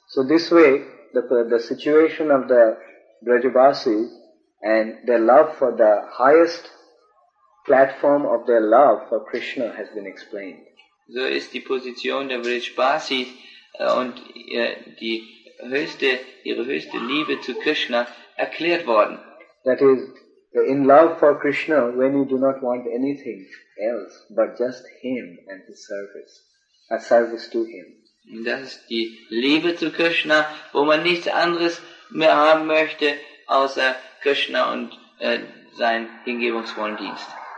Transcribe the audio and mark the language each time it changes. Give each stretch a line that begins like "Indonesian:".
English: So this way the situation of the Brajabasis and their love for the highest platform of their love for Krishna has been explained.
German: So ist die Position der Brajabasis und ihre höchste Liebe zu Krishna erklärt worden.
English: That is, in love for Krishna, when you do not want anything else but just him and his service, a service to him.
German: Das ist die Liebe zu Krishna, wo man nichts anderes mehr haben möchte außer Krishna und sein hingebungsvollen Dienst.